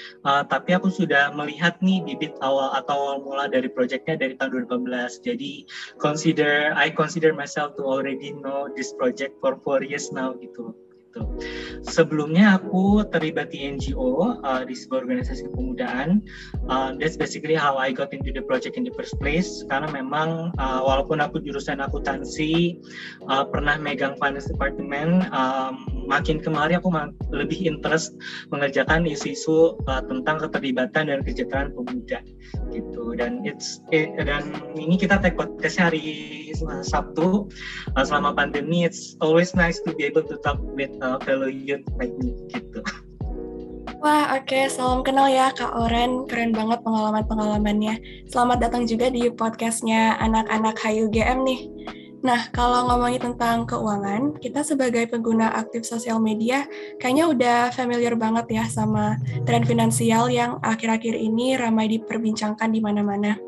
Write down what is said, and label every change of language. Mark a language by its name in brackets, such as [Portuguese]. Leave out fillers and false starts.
[Indonesian] Tapi aku sudah melihat nih bibit awal atau awal mula dari projectnya dari tahun 2018. Jadi [English] I consider myself to already know this project for 4 years now gitu. [Indonesian] Sebelumnya aku terlibat di NGO, di sebuah organisasi kepemudaan. [English] That's basically how I got into the project in the first place. [Indonesian] Karena memang walaupun aku jurusan akuntansi, pernah megang finance department, makin kemari aku lebih interest mengerjakan isu-isu tentang keterlibatan dan kesejahteraan pemuda gitu. Dan ini kita take podcast hari Sabtu selama pandemi. [English] It's always nice to be able to talk with fellow youth like me gitu. [Indonesian] Wah, oke. Salam kenal ya Kak Auren. Keren banget pengalamannya. Selamat datang juga di podcastnya anak-anak HUGM nih. Nah, kalau ngomongin tentang keuangan, kita sebagai pengguna aktif sosial media kayaknya udah familiar banget ya sama tren finansial yang akhir-akhir ini ramai diperbincangkan di mana-mana.